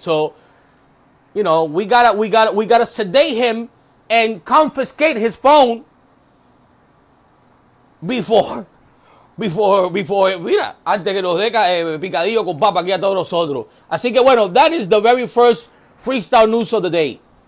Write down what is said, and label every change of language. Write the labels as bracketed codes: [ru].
[en] So you know, we got to sedate him and confiscate his phone. [es] Before, antes que nos deca picadillo con papa aquí a todos nosotros. Así que bueno, [en] that is the very first freestyle news of the day.